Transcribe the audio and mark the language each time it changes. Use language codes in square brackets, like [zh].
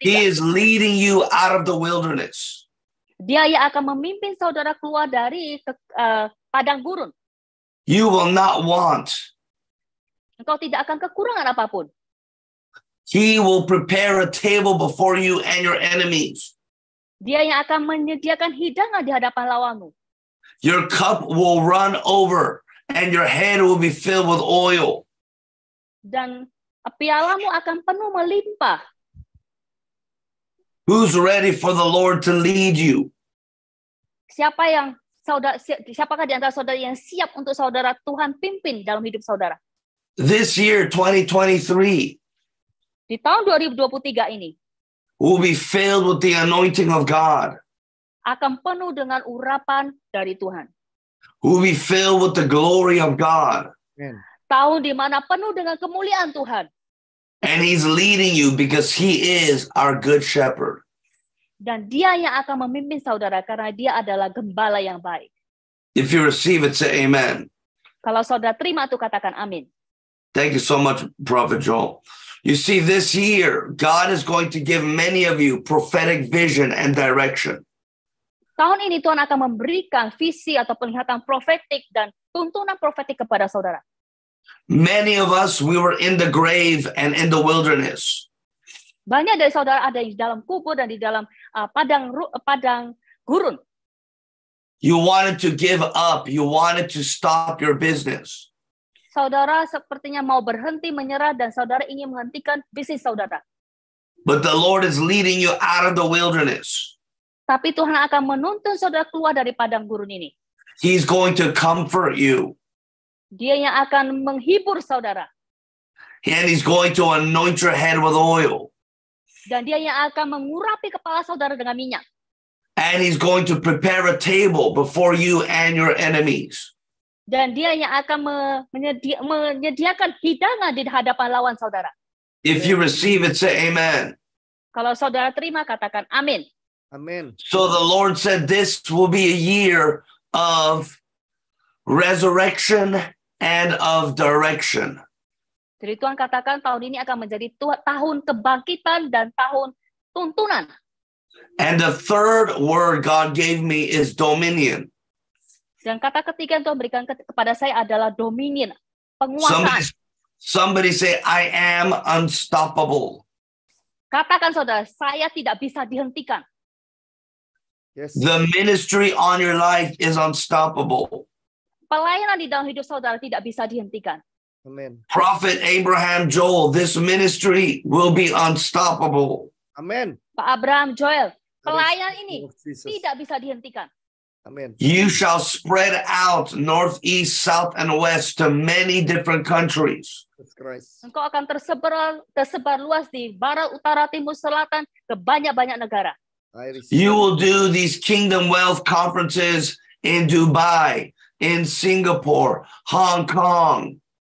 [en] He is leading you out of the wilderness. [id] Dia yang akan memimpin saudara keluar dari padang gurun. [en] You will not want. [id] Engkau tidak akan kekurangan apapun. [en] He will prepare a table before you and your enemies. [id] Dia yang akan menyediakan hidangan di hadapan lawanmu. [en] Your cup will run over and your head will be filled with oil. [id] Dan pialamu akan penuh melimpah. [en] Who's ready for the Lord to lead you? [id] Siapakah di antara saudara yang siap untuk saudara Tuhan pimpin dalam hidup saudara? [en] This year 2023. [id] Di tahun 2023 ini, [en] will be filled with the anointing of God. [id] Akan penuh dengan urapan dari Tuhan. [en] Will be filled with the glory of God. [id] Tahun di mana penuh dengan kemuliaan Tuhan. [en] And he's leading you because he is our good shepherd. [id] Dan dia yang akan memimpin saudara karena dia adalah gembala yang baik. [en] If you receive it, say amen. [id] Kalau saudara terima itu, katakan amin. [en] Thank you so much, Prophet Joel. You see, this year, God is going to give many of you prophetic vision and direction. [id] Tahun ini Tuhan akan memberikan visi atau penglihatan profetik dan tuntunan profetik kepada saudara. [en] Many of us, we were in the grave and in the wilderness. [id] Banyak dari saudara ada di dalam kubur dan di dalam padang gurun. [en] You wanted to give up. You wanted to stop your business. [id] Saudara sepertinya mau berhenti menyerah dan saudara ingin menghentikan bisnis saudara. [en] But the Lord is leading you out of the wilderness. [id] Tapi Tuhan akan menuntun saudara keluar dari padang gurun ini. [en] He's going to comfort you. [id] Dia yang akan menghibur saudara. [en] And he's going to anoint your head with oil. [id] Dan dia yang akan mengurapi kepala saudara dengan minyak. [en] And he's going to prepare a table before you and your enemies. [id] Dan dia yang akan menyediakan hidangan di hadapan lawan saudara. [en] If you receive it, say amen. [id] Kalau saudara terima, katakan amin. Amen. [en] So the Lord said this will be a year of resurrection and of direction. [id] Jadi Tuhan katakan tahun ini akan menjadi tahun kebangkitan dan tahun tuntunan. [en] And the third word God gave me is dominion. [id] Dan kata ketiga yang Tuhan berikan kepada saya adalah dominion, penguasaan. [en] Somebody say, I am unstoppable. [id] Katakan saudara, saya tidak bisa dihentikan. [en] Yes. The ministry on your life is unstoppable. [id] Pelayanan di dalam hidup saudara tidak bisa dihentikan. Amen. [en] Prophet Abraham Joel, this ministry will be unstoppable. Amen. [id] Pak Abraham Joel, pelayanan ini tidak bisa dihentikan. Amen. [en] You shall spread out north, east, south, and west to many different countries. [id] Engkau akan tersebar luas di barat, utara, timur, selatan ke banyak-banyak negara. [en] You will do these kingdom wealth conferences in Dubai, in Singapore, Hong Kong.